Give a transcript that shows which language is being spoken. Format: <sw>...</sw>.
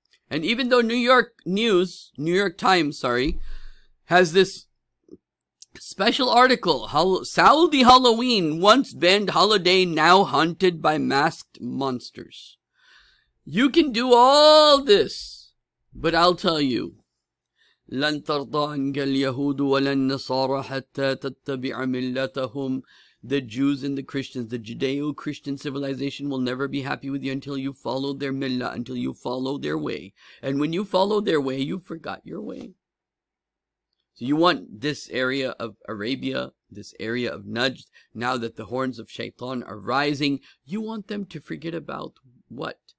<en>And even though New York Times, has this special article, Saudi Halloween, once banned holiday, now hunted by masked monsters. You can do all this, but I'll tell you.</en> <ar>لن ترضى عنك اليهود ولا النصارى حتى تتبع ملتهم.</ar> <en>The Jews and the Christians, the Judeo-Christian civilization will never be happy with you until you follow their millah, until you follow their way. And when you follow their way, you forgot your way. So you want this area of Arabia, this area of Najd, now that the horns of Shaitan are rising, you want them to forget about what?</en>